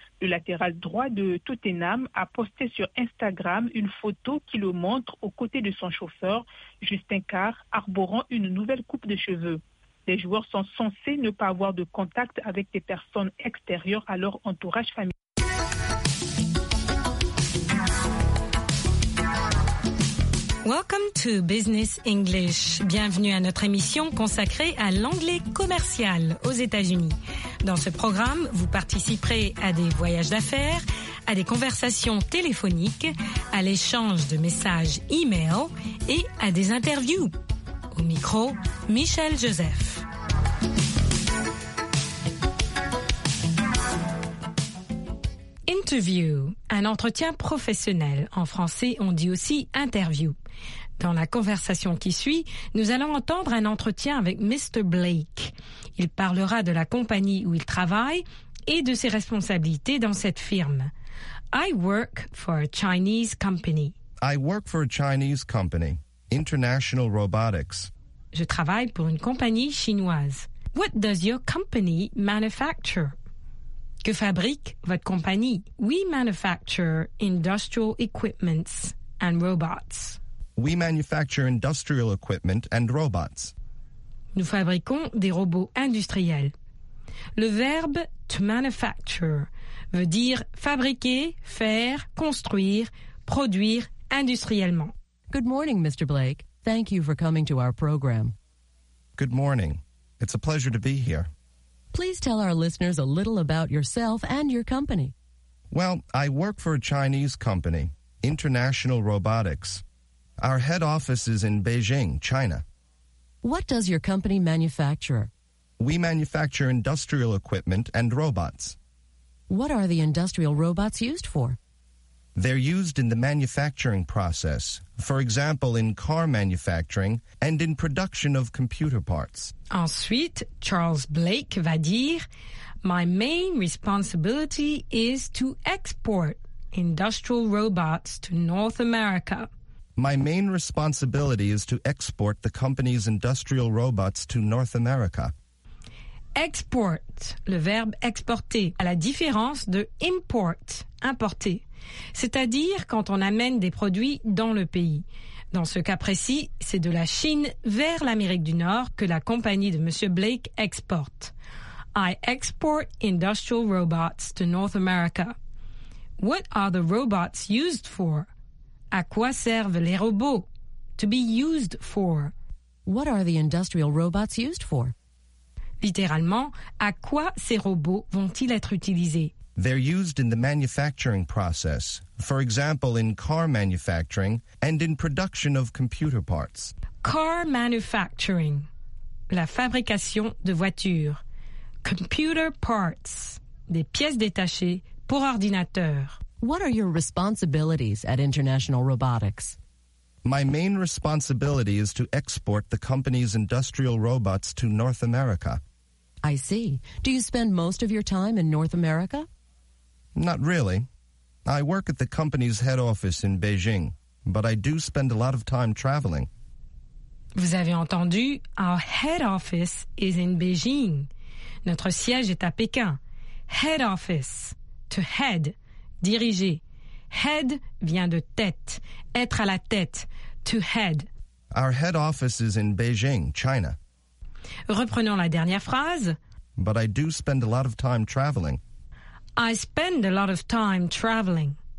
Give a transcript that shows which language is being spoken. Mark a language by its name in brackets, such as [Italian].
[French] Le latéral droit de Tottenham a posté sur Instagram une photo qui le montre aux côtés de son chauffeur, Justin Carr, arborant une nouvelle coupe de cheveux. Les joueurs sont censés ne pas avoir de contact avec des personnes extérieures à leur entourage familial. [English] Welcome to Business English. [French] Bienvenue à notre émission consacrée à l'anglais commercial aux États-Unis. Dans ce programme, vous participerez à des voyages d'affaires, à des conversations téléphoniques, à l'échange de messages e-mail et à des interviews. Au micro, Michel Joseph. Interview, un entretien professionnel. En français, on dit aussi interview. Dans la conversation qui suit, nous allons entendre un entretien avec Mr. Blake. Il parlera de la compagnie où il travaille et de ses responsabilités dans cette firme. [English] I work for a Chinese company. I work for a Chinese company, International Robotics. [French] Je travaille pour une compagnie chinoise. [English] What does your company manufacture? [French] Que fabrique votre compagnie? [English] We manufacture industrial equipments and robots. We manufacture industrial equipment and robots. [French] Nous fabriquons des robots industriels. Le verbe to manufacture veut dire fabriquer, faire, construire, produire industriellement. [English] Good morning, Mr. Blake. Thank you for coming to our program. Good morning. It's a pleasure to be here. Please tell our listeners a little about yourself and your company. Well, I work for a Chinese company, International Robotics. Our head office is in Beijing, China. What does your company manufacture? We manufacture industrial equipment and robots. What are the industrial robots used for? They're used in the manufacturing process, for example, in car manufacturing and in production of computer parts. [French] Ensuite, Charles Blake va dire, [English] My main responsibility is to export industrial robots to North America. My main responsibility is to export the company's industrial robots to North America. [French] Export, le verbe exporter, à la différence de import, importer. C'est-à-dire quand on amène des produits dans le pays. Dans ce cas précis, c'est de la Chine vers l'Amérique du Nord que la compagnie de M. Blake exporte. [English] I export industrial robots to North America. What are the robots used for? [French] À quoi servent les robots? [English] To be used for. What are the industrial robots used for? [French] Littéralement, à quoi ces robots vont-ils être utilisés? [English] They're used in the manufacturing process, for example, in car manufacturing and in production of computer parts. [French] Car manufacturing, la fabrication de voitures. Computer parts, des pièces détachées pour ordinateur. [English] What are your responsibilities at International Robotics? My main responsibility is to export the company's industrial robots to North America. I see. Do you spend most of your time in North America? Not really. I work at the company's head office in Beijing, but I do spend a lot of time traveling. [French] Vous avez entendu, [English] our head office is in Beijing. [French] Notre siège est à Pékin. Head office, to head, diriger. Head vient de tête, être à la tête, to head. [English] Our head office is in Beijing, China. [French] Reprenons la dernière phrase. [English] But I do spend a lot of time traveling. I spend a lot of time traveling.